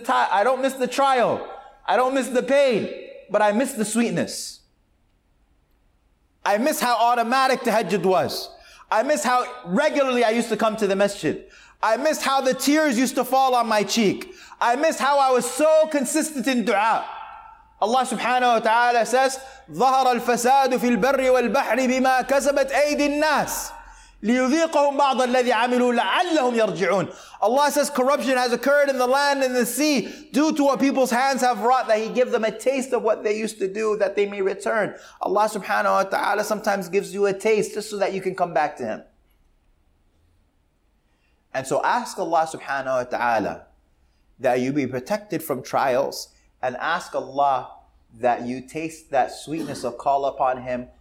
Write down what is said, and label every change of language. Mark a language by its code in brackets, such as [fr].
[en] I don't miss the trial. I don't miss the pain, but I miss the sweetness. I miss how automatic tahajjud was. I miss how regularly I used to come to the masjid. I miss how the tears used to fall on my cheek. I miss how I was so consistent in dua. [ar] Allah subhanahu wa ta'ala says, ظَهَرَ الْفَسَادُ فِي الْبَرِّ وَالْبَحْرِ بِمَا كَسَبَتْ أَيْدِ النَّاسِ لِيُذِيقَهُمْ بَعْضَ الَّذِي عَمِلُوا لَعَلَّهُمْ يَرْجِعُونَ. [en] Allah says, corruption has occurred in the land and the sea due to what people's hands have wrought, that He give them a taste of what they used to do, that they may return. Allah subhanahu wa ta'ala sometimes gives you a taste just so that you can come back to Him. And so ask Allah subhanahu wa ta'ala that you be protected from trials, and ask Allah that you taste that sweetness of call upon Him